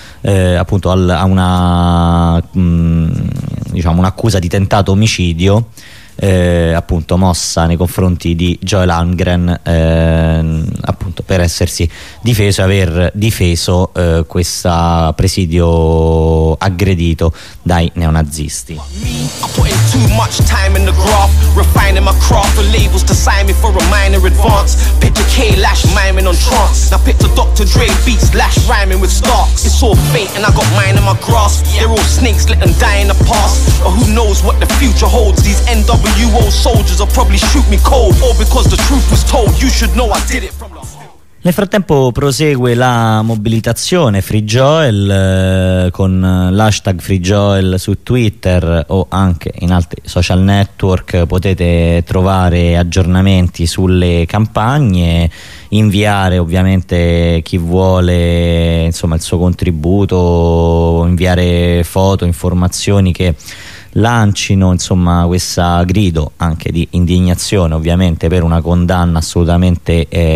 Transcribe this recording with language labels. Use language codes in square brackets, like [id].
[it] appunto al, a una diciamo un'accusa di tentato omicidio appunto mossa nei confronti di Joel Almgren appunto per essersi difeso e aver difeso questo presidio aggredito dai neonazisti. [en] Too much time in the graph, refining my craft for labels to sign me for a minor advance. Picture K-Lash miming on trance. Now picture Dr. Dre beats Lash rhyming with Starks. It's all fate and I got mine in my grasp. They're all snakes, let them die in the past. But who knows what the future holds. These NWO soldiers will probably shoot me cold. All because the truth was told. You should know I did it from the... [it] Nel frattempo prosegue la mobilitazione Free Joel con l'hashtag Free Joel su Twitter o anche in altri social network. Potete trovare aggiornamenti sulle campagne, inviare ovviamente chi vuole insomma il suo contributo, inviare foto, informazioni che lancino insomma questo grido anche di indignazione ovviamente per una condanna assolutamente